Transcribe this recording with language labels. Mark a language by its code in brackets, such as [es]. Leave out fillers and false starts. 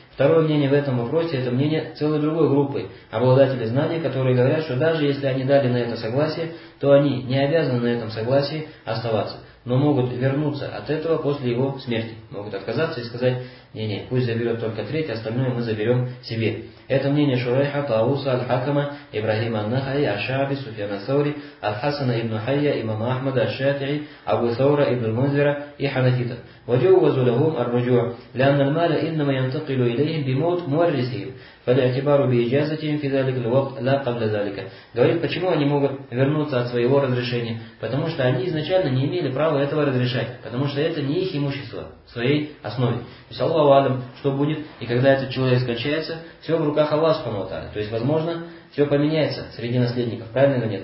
[ru] Второе мнение в этом вопросе – это мнение целой другой группы обладателей знаний, которые говорят, что даже если они дали на это согласие, то они не обязаны на этом согласии оставаться, но могут вернуться от этого после его смерти. Могут отказаться и сказать, пусть заберет только треть, остальное мы заберем себе. Это мнение Шурайха, Тауса, Аль-Хакама, Ибрагима Ан-Нахаи, Аш-Шааби, Суфьяна Саури, Аль-Хасана ибн Хайя, Имама Ахмада, Аш-Шафии, Абу Саура, Ибн Мунзира и Ханафита. [ar] وجوزوا لهم الرجوع لأن المال إنما ينتقل إليهم بموت مورثهم فالاعتبار بإجازتهم في ذلك الوقت لا قبل ذلك. [ru] Говорит, почему они могут вернуться от своего разрешения? Потому что они изначально не имели права этого разрешать, потому что это не их имущество в своей основе. То есть Аллаху Алам, что будет, и когда этот человек скончается, все в руках Аллаха Субхану. То есть, возможно, все поменяется среди наследников, правильно или нет?